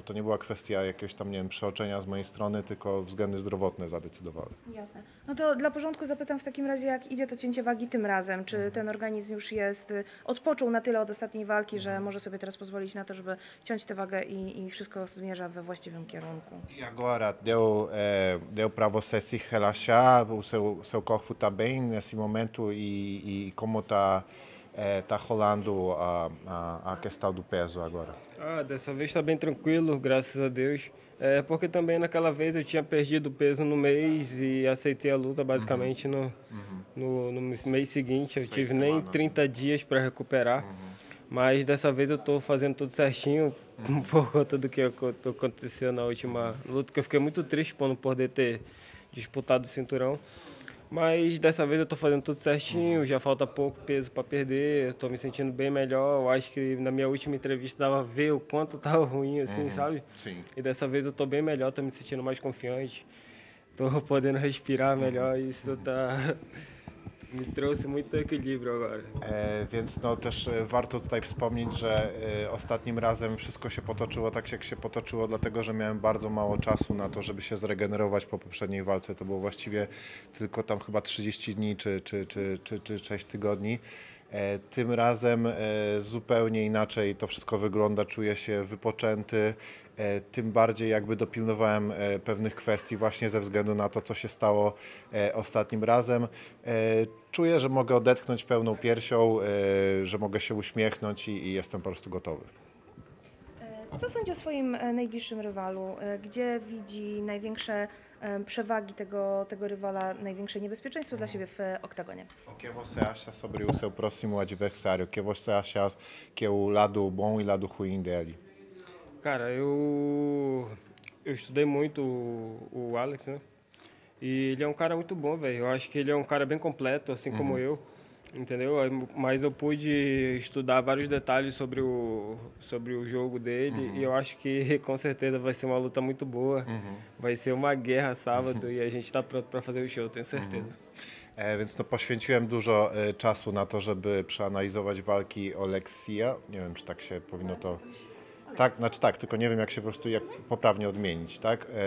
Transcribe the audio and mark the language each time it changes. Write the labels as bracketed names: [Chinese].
[Polish] No to nie była kwestia jakiegoś tam, nie wiem, przeoczenia z mojej strony, tylko względy zdrowotne zadecydowały. Jasne. No to dla porządku zapytam w takim razie, jak idzie to cięcie wagi tym razem? Czy ten organizm już jest, odpoczął na tyle od ostatniej walki, że może sobie teraz pozwolić na to, żeby ciąć tę wagę i wszystko zmierza we właściwym kierunku? [Portuguese] I agora deu prawo sesji relaxa, o seu corpo tá bem nesse momento i como tá tá rolando a questão do peso agora? Ah, dessa vez está bem tranquilo, graças a Deus. Porque também naquela vez eu tinha perdido peso no mês e aceitei a luta basicamente no mês seguinte. Eu tive nem 30 dias para recuperar. Mas dessa vez eu estou fazendo tudo certinho por conta do que aconteceu na última luta, que eu fiquei muito triste por não poder ter disputado o cinturão. Mas dessa vez eu tô fazendo tudo certinho, já falta pouco peso para perder, eu tô me sentindo bem melhor, eu acho que na minha última entrevista dava ver o quanto tava ruim, assim, sabe? Sim. E dessa vez eu tô bem melhor, tô me sentindo mais confiante, tô podendo respirar melhor, isso tá... Me trouxe muito equilíbrio agora. [Polish] Więc no też warto tutaj wspomnieć, że ostatnim razem wszystko się potoczyło tak, jak się potoczyło, dlatego że miałem bardzo mało czasu na to, żeby się zregenerować po poprzedniej walce. To było właściwie tylko tam chyba 30 dni czy 6 tygodni. Tym razem zupełnie inaczej to wszystko wygląda, czuję się wypoczęty, tym bardziej jakby dopilnowałem pewnych kwestii właśnie ze względu na to, co się stało ostatnim razem. Czuję, że mogę odetchnąć pełną piersią, że mogę się uśmiechnąć i jestem po prostu gotowy. Co sądzi o swoim najbliższym rywalu? Gdzie widzi największe przewagi tego rywala, największe niebezpieczeństwo dla siebie w oktagonie? [Portuguese] Que você acha sobre o seu próximo adversário? Que você acha que é o lado bom e lado ruim dele? Cara, eu estudei muito o Alex, né? E ele é um cara muito bom, velho. Eu acho que ele é um cara bem completo, assim como eu. Entendeu? Mas eu pude estudar vários detalhes sobre o jogo dele e eu acho que com certeza vai ser uma luta muito boa. Vai ser uma guerra sábado e a gente está pronto para fazer o show, tenho certeza. [Polish] Więc no, poświęciłem dużo czasu na to, żeby przeanalizować walki Oleksija. Nie wiem, czy tak się powinno to... Tak, znaczy tak, tylko nie wiem, jak się po prostu jak poprawnie odmienić, tak?